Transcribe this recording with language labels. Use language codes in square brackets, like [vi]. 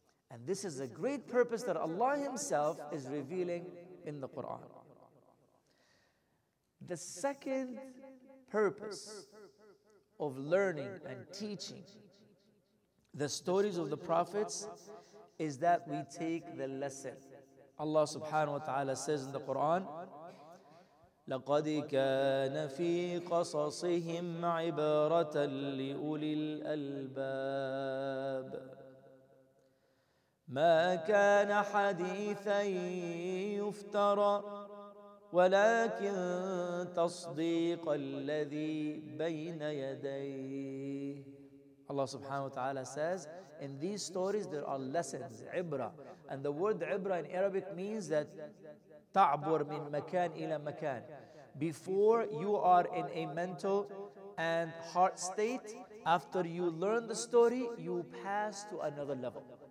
[en] And this is a great purpose that Allah Himself is revealing in the Quran. The second purpose of learning and teaching the stories of the prophets is that we take the lesson. Allah subhanahu wa ta'ala says in the Quran, [ar] لقد كان في قصصهم عبارة لأولي الألباب ما كان حديثا يفترى ولكن تصديق الذي بين يديه. [en] Allah subhanahu wa ta'ala says, in these stories there are lessons, ibra. And the word ibra in Arabic means that [ar] ta'bur min makan ila makan. [en] Before you are in a mental and heart state, after you learn the story, you pass to another level.